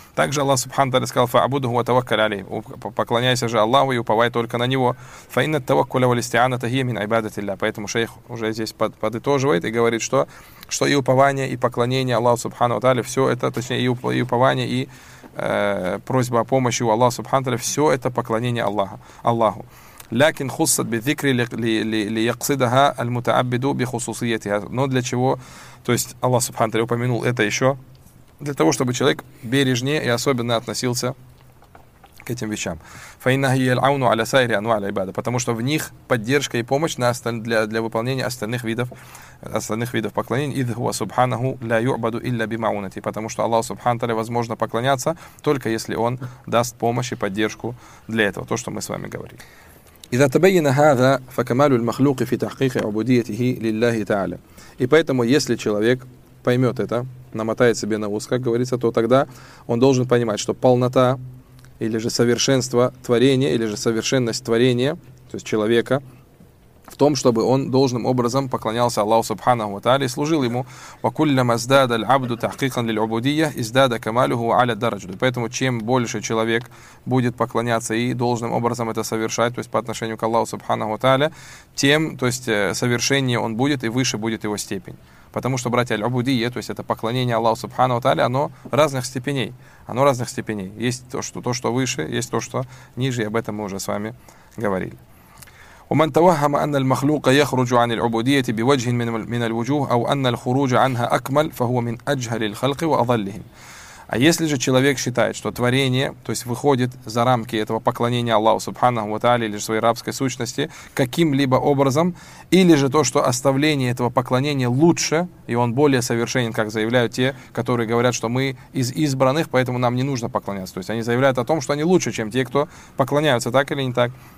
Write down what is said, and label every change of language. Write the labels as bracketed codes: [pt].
[ru] Также Аллах Субхану ва Тааля сказал: [ar] «Фа'абудуху ва таваккаль алейхи». [ru] Поклоняйся же Аллаху и уповай только на Него. [ar] «Фа инна таваккуля ва листи'аната хия мин ибадатиллях». [ru] Поэтому шейх уже здесь подытоживает и говорит, что и упование, и поклонение Аллаху Субхану ва Тааля, все это, точнее, и упование, и просьба о помощи у Аллаха Субхану ва Тааля, все это поклонение Аллаху. [ar] لكن خصت بالذكر ليقصدها المتعبد بخصوصيتها. [ru] Но для чего? То есть Аллах Субхану ва Тааля упомянул это еще для того, чтобы человек бережнее и особенно относился к этим вещам. [ar] فإنها هي العون على سائر أنواع العبادة. [ru] Потому что в них поддержка и помощь на для выполнения остальных видов поклонений. [ar] إذ هو سبحانه لا يعبد إلا بمعونته. [ru] Потому что Аллах Субхану ва Тааля возможно поклоняться только если Он даст помощь и поддержку для этого. То, что мы с вами говорили. [ar] إذا تبين هذا فكمال المخلوق في تحقيق عبوديته لله تعالى. [ru] И поэтому, если человек поймет это, намотает себе на ус, как говорится, то тогда он должен понимать, что полнота или же совершенство творения или же совершенность творения, то есть человека, в том, чтобы он должным образом поклонялся Аллаху Субхану ва Тааля и служил ему. [ar] وَكُلَّمَا ازْدَادَ الْعَبْدُ تَحْقِيقًا لِلْعُبُودِيَّةِ ازْدَادَ كَمَالُهُ عَلَى الدَّرَجَةِ. [ru] Поэтому чем больше человек будет поклоняться и должным образом это совершать, то есть по отношению к Аллаху Субхану ва Тааля, тем, то есть совершеннее он будет и выше будет его степень. Потому что, братья, аль-убудия, то есть это поклонение Аллаху Субхану ва Тааля, оно разных степеней. Оно разных степеней. Есть то, что выше, есть то, что ниже, и об этом мы уже с вами говорили. [ar] ومن توهم أن المخلوق يخرج عن العبودية بوجه من الوجوه أو أن الخروج عنها أكمل فهو من أجهل الخلق وأضلهم. [ru] А если же человек считает, что творение, то есть выходит за рамки этого поклонения Аллаху Субхану ва Тааля или же своей рабской сущности каким-либо образом, или же то, что оставление этого поклонения лучше, и он более совершенен, как заявляют те, которые говорят, что мы из избранных, поэтому нам не нужно поклоняться. То есть они заявляют о том, что они лучше, чем те, кто поклоняются, так или не так.